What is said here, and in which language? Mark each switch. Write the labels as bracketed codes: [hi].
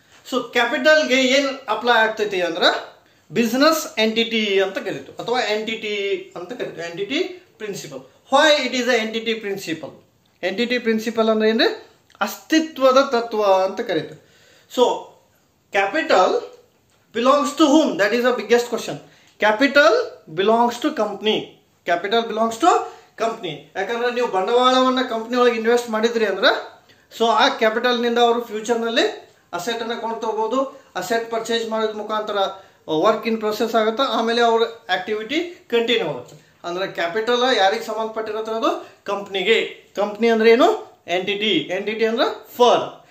[kn] So ಕ್ಯಾಪಿಟಲ್ಗೆ ಏನು apply ಆಗ್ತೈತಿ ಅಂದ್ರೆ ಬಿಸ್ನೆಸ್ ಎಂಟಿಟಿ ಅಂತ ಕರೀತು, ಅಥವಾ ಎಂಟಿಟಿ ಅಂತ ಕರೀತು, entity principal. [en] Why it is a entity principle? [kn] Entity principal ಅಂದ್ರೆ ಏನ್ರಿ, ಅಸ್ತಿತ್ವದ ತತ್ವ ಅಂತ ಕರೀತು. So capital [en] belongs to whom? That is the biggest question. Capital belongs to company. Capital belongs to company. [kn] ಯಾಕಂದ್ರೆ ನೀವು ಬಂಡವಾಳವನ್ನ ಕಂಪನಿ ಒಳಗೆ ಇನ್ವೆಸ್ಟ್ ಮಾಡಿದ್ರಿ ಅಂದ್ರೆ ಸೊ ಆ ಕ್ಯಾಪಿಟಲ್ ನಿಂದ ಅವರು ಫ್ಯೂಚರ್ ನಲ್ಲಿ ಅಸೆಟ್ ಅನ್ನ ಕೊಂಡೋಗಬಹುದು. ಅಸೆಟ್ ಪರ್ಚೇಸ್ ಮಾಡೋದ್ ಮುಖಾಂತರ ವರ್ಕ್ ಇನ್ ಪ್ರೊಸೆಸ್ ಆಗುತ್ತೆ, ಆಮೇಲೆ ಅವ್ರ ಆಕ್ಟಿವಿಟಿ ಕಂಟಿನ್ಯೂ ಆಗುತ್ತೆ. ಅಂದ್ರೆ ಕ್ಯಾಪಿಟಲ್ ಯಾರಿಗೆ ಸಂಬಂಧಪಟ್ಟಿರುತ್ತೆ? ಅದು ಕಂಪ್ನಿಗೆ. ಕಂಪ್ನಿ ಅಂದ್ರೆ ಏನು? ಎಂಟಿಟಿ. ಎಂಟಿಟಿ ಅಂದ್ರೆ ಫರ್ಮ್.